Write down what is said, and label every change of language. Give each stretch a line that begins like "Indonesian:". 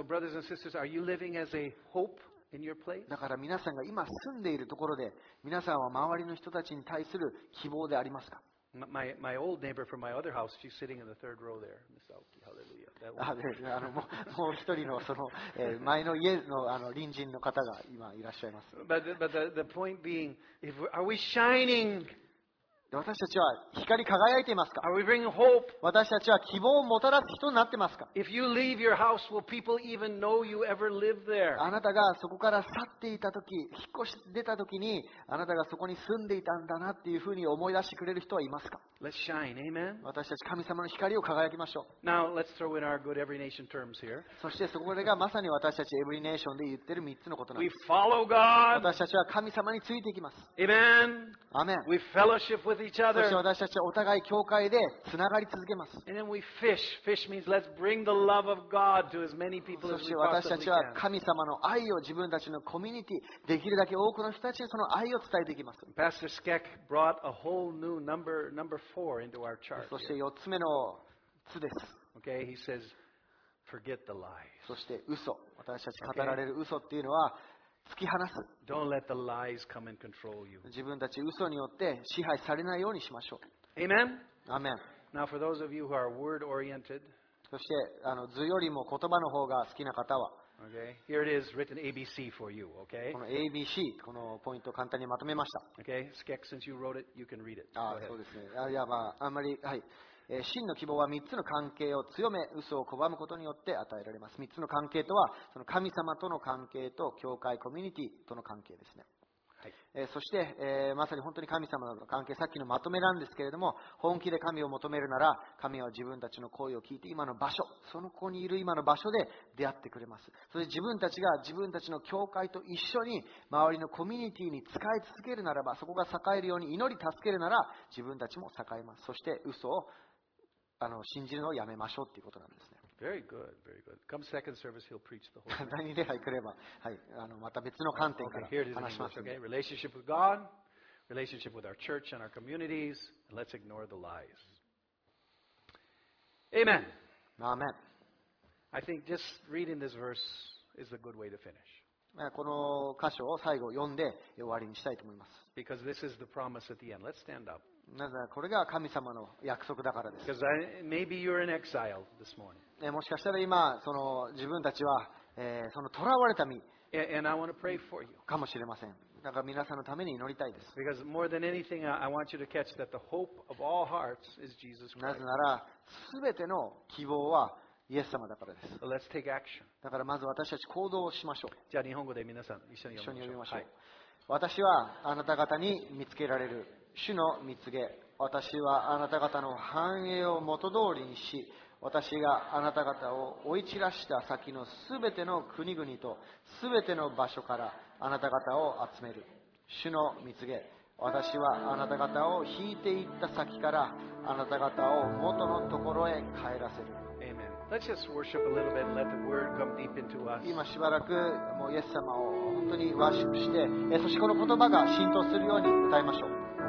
English: So, brothers and sisters, are you living as a hope in your place?
Japanese: だから皆さんが今住んでいるところで、皆さんは周りの人たちに対する希望でありますか？
English: My old neighbor from my other house, she's sitting in the third row there, Miss Aoki. Hallelujah. That one.
Japanese: もう一人のその前の家のあの隣人の方が今いらっしゃいます。
English: But the point being, if we, are we shining?
Japanese: 私たちは光り輝いていますか？
English: Are we bringing hope?
Japanese: 私たちは希望をもたらす人になってますか？
English: If you leave your house, will people even know you ever lived there?
Japanese: あなたがそこから去っていた時、引っ越し出た時に、あなたがそこに住んでいたんだなっていうふうに思い出してくれる人はいますか？
English: Let's shine, amen.
Japanese: 私たち神様の光を輝きましょう。
English: Now let's throw in our good every nation terms here.
Japanese: そしてそこがまさに私たち every nation で言ってる3つのことなんです。
English: We follow God.
Japanese: 私たちは神様についていきます。
English: Amen. Amen. We fellowship with each other.
Japanese: そして私たちはお互い教会でつながり続けます。
English: And then we fish. Fish means let's bring the love of God to as many people as we possibly can.
Japanese: そして私たちは神様の愛を自分たちのコミュニティ、できるだけ多くの人たちにその愛を伝えていきます。
English: Pastor Skek brought a whole new number four into our chart.
Japanese: そして4つ目の図です。
English: Okay, he says, forget the lies.
Japanese: そして嘘。私たち語られる嘘っていうのは、突き放す。
English: Don't let the lies come and control you.
Japanese: 自分たち嘘によって支配されないようにしましょう。
English: Amen? Amen. Now for those of you who are word oriented,
Japanese: そして図よりも言葉の方が好きな方は、
English: Okay. Here it is written ABC for you. Okay.
Japanese: この ABC このポイントを簡単にまとめました。
English: Okay. Skek, since you wrote it, you can read it.
Japanese: あ、そうですね。あ、いや、まあ、あんまり、はい。真の希望は3つの関係を強め、嘘を拒むことによって与えられます。3つの関係とは、その神様との関係と教会コミュニティとの関係ですね。はい、そして、まさに本当に神様との関係、さっきのまとめなんですけれども、本気で神を求めるなら、神は自分たちの声を聞いて、今の場所、その子にいる今の場所で出会ってくれます。そして自分たちが自分たちの教会と一緒に周りのコミュニティに使い続けるならば、そこが栄えるように祈り助けるなら、自分たちも栄えます。そして嘘を信じるのをやめましょうということなんですね。
English: Very good, very good. Come second service, he'll preach the whole
Japanese: thing. 第二礼拝来れば、はい、また別の観点から話します。
English: Okay, okay. Relationship with God, relationship with our church and our communities, and let's ignore the lies. Amen. Amen. I think just reading this verse is a good way to finish.
Japanese: この箇所を最後読んで終わりにしたいと思います。
English: Because this is the promise at the end. Let's stand up.
Japanese: なぜこれが神様の約束だからです。
English: Maybe you're in exile this morning.
Japanese: もしかしたら今その自分たちは、その囚われた身
English: And I want to pray for you.
Japanese: かもしれません。だから皆さんのために祈りたいです。
English: Because more than anything, I want you to catch that the hope of all hearts is Jesus Christ.
Japanese: なぜなら全ての希望はイエス様だからです。
English: So、let's take action.
Japanese: だからまず私たち行動をしましょう。じゃあ日本語で皆さん一緒に読みましょう。はい、私はあなた方に見つけられる。主の見つけ、私はあなた方の繁栄を元通りにし、私があなた方を追い散らした先のすべての国々とすべての場所からあなた方を集める。主の見つけ、私はあなた方を引いていった先からあなた方を元のところへ帰らせる。
English: Let's just worship a little bit and let the word come deep into us.
Japanese: 今しばらくもうイエス様を本当にワーシップして、そしてこの言葉が浸透するように歌いましょう。